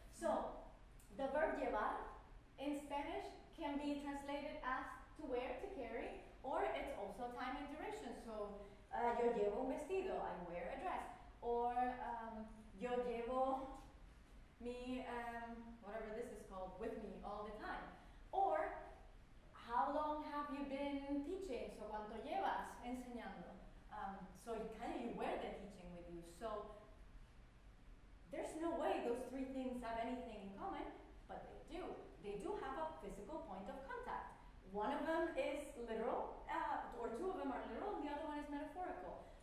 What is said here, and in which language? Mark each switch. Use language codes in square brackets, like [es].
[en] So the verb llevar in Spanish can be translated as to wear, to carry, or it's also time and duration. So [es] yo llevo un vestido, [en] I wear a dress. Or [es] yo llevo mi, [en] whatever this is called, with me all the time. Or how long have you been teaching? [es] So cuánto llevas enseñando? [en] So you kind of wear the teaching with you. So there's no way those three things have anything in common, but they do. They do have a physical point of contact. One of them is literal, or two of them are literal, and the other one is metaphorical.